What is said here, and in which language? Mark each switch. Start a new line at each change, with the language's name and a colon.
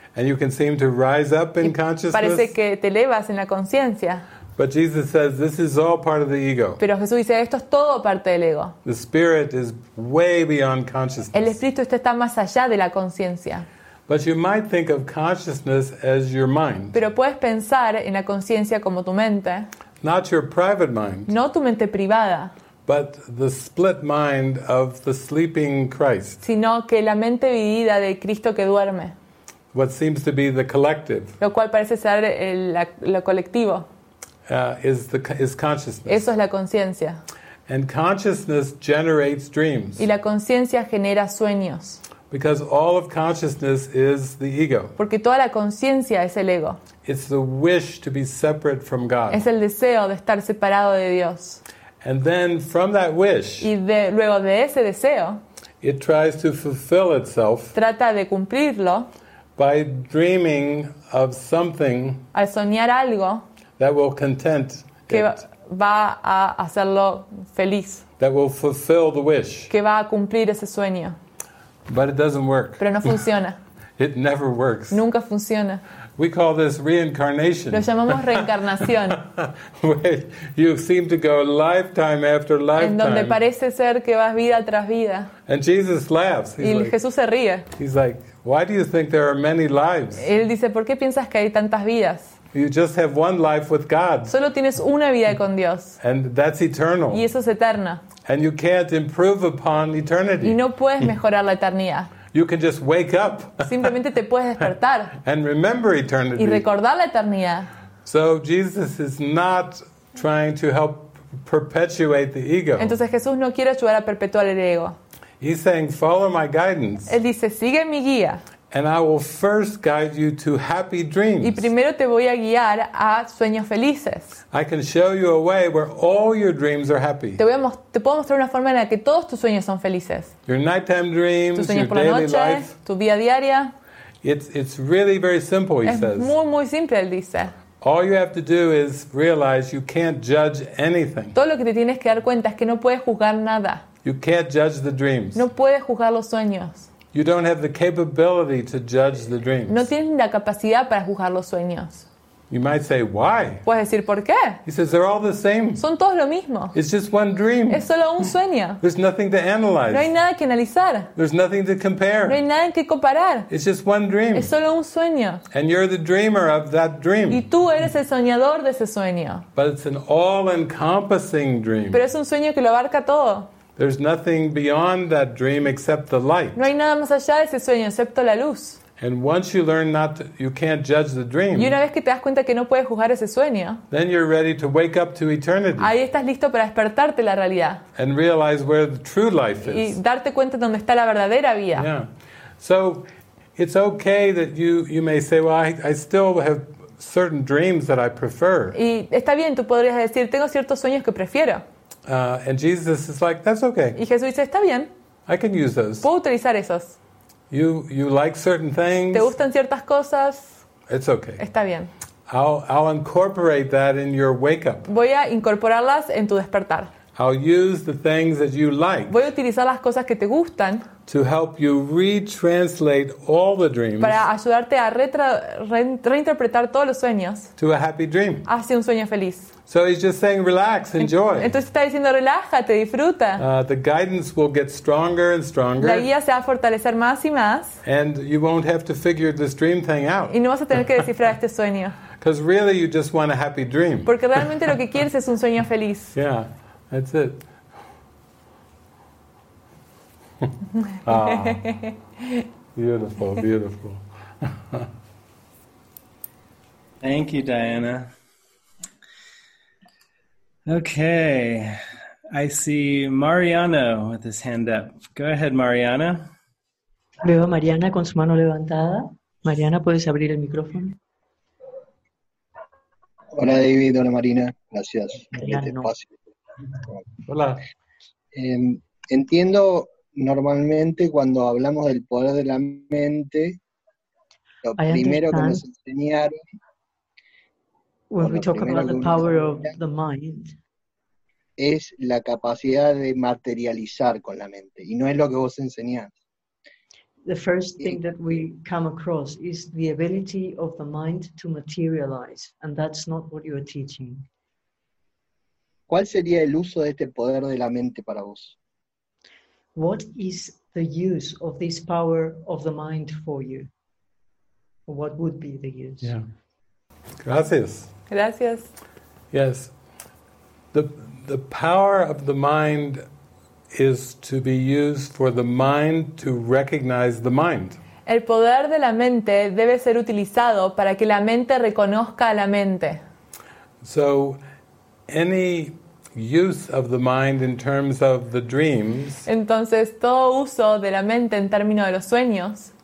English: And you can seem to rise up in consciousness.
Spanish: Parece que te elevas en la conciencia.
English: But Jesus says this is all part of the ego.
Spanish: Pero Jesús dice esto es todo parte del ego.
English: The spirit is way beyond consciousness.
Spanish: El espíritu está más allá de la conciencia.
English: But you might think of consciousness as your mind.
Spanish: Pero puedes pensar en la conciencia como tu mente.
English: Not your private mind.
Spanish: No tu mente privada.
English: But the split mind of the sleeping Christ.
Spanish: Sino que la mente dividida de Cristo que duerme.
English: What seems to be the collective.
Spanish: Lo cual parece ser lo colectivo.
English: Is consciousness.
Spanish: Eso es la conciencia.
English: And consciousness generates dreams.
Spanish: Y la conciencia genera sueños.
English: Because all of consciousness is the ego.
Spanish: Porque toda la conciencia es el ego.
English: It's the wish to be separate from God.
Spanish: Es el deseo de estar separado de Dios.
English: And then from that wish.
Spanish: Y luego de ese deseo.
English: It tries to fulfill itself.
Spanish: Trata de cumplirlo.
English: By dreaming of something.
Spanish: Al soñar algo.
English: That will content
Spanish: que va a hacerlo feliz.
English: That will fulfill the wish.
Spanish: Que va a cumplir ese sueño.
English: But it doesn't work.
Spanish: Pero no funciona.
English: It never works.
Spanish: Nunca funciona.
English: We call this reincarnation.
Spanish: Lo llamamos reencarnación.
English: You seem to go lifetime after lifetime.
Spanish: En donde parece ser que vas vida tras vida.
English: And Jesus laughs.
Spanish: Y Jesús se ríe.
English: He's like, why do you think there are many lives?
Spanish: Él dice, ¿por qué piensas que hay tantas vidas?
English: You just have one life with God.
Spanish: Solo tienes una vida con Dios.
English: And that's eternal.
Spanish: Y eso es eterna.
English: And you can't improve upon eternity.
Spanish: Y no puedes mejorar la eternidad.
English: You can just wake up.
Spanish: Simplemente te puedes despertar.
English: And remember eternity.
Spanish: Y recordar la eternidad.
English: So Jesus is not trying to help perpetuate the ego.
Spanish: Entonces Jesús no quiere ayudar a perpetuar el ego.
English: He's saying, follow my guidance.
Spanish: Él dice, sigue mi guía.
English: And I will first guide you to happy dreams.
Spanish: Y primero te voy a guiar a sueños felices.
English: I can show you a way where all your dreams are happy.
Spanish: Te puedo mostrar una forma en la que todos tus sueños son felices.
English: Your nighttime dreams,
Spanish: tus sueños por la
English: daily
Spanish: noche,
English: life,
Spanish: tu vida diaria.
English: It's really very simple, he
Spanish: es
English: says.
Spanish: Es muy muy simple, él dice.
English: All you have to do is realize you can't judge anything.
Spanish: Todo lo que te tienes que dar cuenta es que no puedes juzgar nada.
English: You can't judge the dreams.
Spanish: No puedes juzgar los sueños.
English: You don't have the capability to judge the dreams.
Spanish: No tienes la capacidad para juzgar los sueños.
English: You might say, why?
Spanish: Puedes decir, ¿por qué?
English: He says, they're all the same.
Spanish: Son todos lo mismo.
English: It's just one dream.
Spanish: Es solo un sueño.
English: There's nothing to analyze.
Spanish: No hay nada que analizar.
English: There's nothing to compare.
Spanish: No hay nada que comparar.
English: It's just one dream.
Spanish: Es solo un sueño.
English: And you're the dreamer of that dream.
Spanish: Y tú eres el soñador de ese sueño.
English: But it's an all-encompassing dream.
Spanish: Pero es un sueño que lo abarca todo.
English: There's nothing beyond that dream except the light.
Spanish: No hay nada más allá de ese sueño, excepto la luz.
English: And once you learn not to, you can't judge the dream.
Spanish: Y una vez que te das cuenta que no puedes juzgar ese sueño.
English: Then you're ready to wake up to eternity.
Spanish: Ahí estás listo para despertarte la realidad.
English: And realize where the true life is.
Spanish: Y darte cuenta dónde está la verdadera vida.
English: Yeah. So it's okay that you may say, well, I still have certain dreams that I prefer.
Spanish: Y está bien, tú podrías decir, tengo ciertos sueños que prefiero.
English: And Jesus is like, that's okay.
Spanish: Y Jesús dice, está bien.
English: I can use those.
Spanish: Puedo utilizar esos.
English: You like certain things.
Spanish: ¿Te gustan ciertas cosas?
English: It's okay.
Spanish: Está bien.
English: I'll incorporate that in your wake up.
Spanish: Voy a incorporarlas en tu despertar.
English: I'll use the things that you like.
Spanish: Voy a utilizar las cosas que te gustan.
English: To help you retranslate all the dreams.
Spanish: Para ayudarte a reinterpretar todos los sueños.
English: To a happy dream.
Spanish: Hacia un sueño feliz.
English: So he's just saying, relax, enjoy.
Spanish: Entonces está diciendo, relájate, disfruta.
English: The guidance will get stronger and stronger.
Spanish: La guía se va a fortalecer más y más.
English: And you won't have to figure this dream thing out.
Spanish: Y no vas a tener que descifrar este sueño.
English: Because really you just want a happy dream.
Spanish: Porque realmente lo que quieres es un sueño feliz.
English: Yeah, that's it. Ah, beautiful, beautiful. Thank you, Diana. Okay, I see Mariano with his hand up. Go ahead, Mariana.
Spanish: Veo a Mariana con su mano levantada. Mariana, ¿puedes abrir el micrófono? Hola, David. Hola, Marina. Gracias. Hola. Entiendo normalmente cuando hablamos del poder de la mente, lo primero que nos enseñaron...
English: When we talk about the power of the mind...
Spanish: es la capacidad de materializar con la mente, y no es lo que vos enseñás.
English: The first thing that we come across is the ability of the mind to materialize, and that's not what you're teaching.
Spanish: ¿Cuál sería el uso de este poder de la mente para vos?
English: What is the use of this power of the mind for you? What would be the use? Yeah.
Spanish: Gracias. Gracias.
English: Yes. The power of the mind is to be used for the mind to recognize the mind.
Spanish: El poder de la mente debe ser utilizado para que la mente reconozca a la mente.
English: So, any use of the mind in terms of the dreams.
Spanish: Entonces, todo uso de la mente en términos de los sueños.